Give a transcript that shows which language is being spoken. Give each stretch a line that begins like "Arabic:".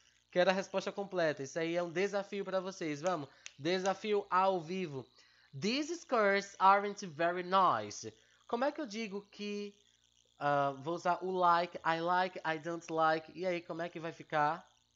Portuguese: Quero a resposta completa. Isso aí é um desafio para vocês. Vamos. Desafio ao vivo.
English: These skirts aren't very nice.
Portuguese: Como é que eu digo que vou usar o like,
English: I don't like.
Portuguese: E aí, como é que vai ficar?